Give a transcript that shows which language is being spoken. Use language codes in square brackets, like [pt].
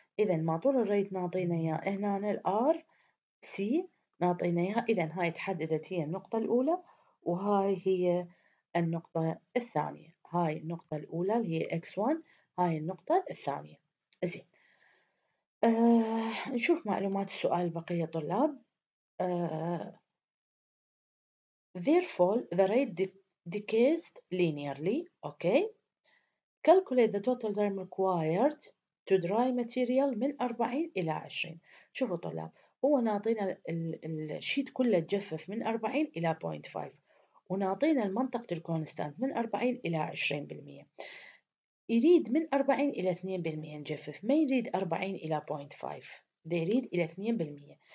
[ar] إذا ما طول الريت نعطينا إياه هنا الـ R C نعطينا إياها، إذا هاي تحددت هي النقطة الأولى وهاي هي النقطة الثانية. هاي النقطة الأولى اللي هي X1، هاي النقطة الثانية. زين، نشوف معلومات السؤال بقية طلاب. [en] Therefore, the rate decays linearly. Okay. Calculate the total time required to dry material [ar] من 40 إلى 20. شوفوا طلاب، هو نعطينا الشيت كله تجفف من 40 إلى 0.5، ونعطينا المنطقة الكونستانت من 40 إلى 20%. يريد من 40 إلى 2% نجفف، ما يريد 40 إلى 0.5، يريد إلى 2%.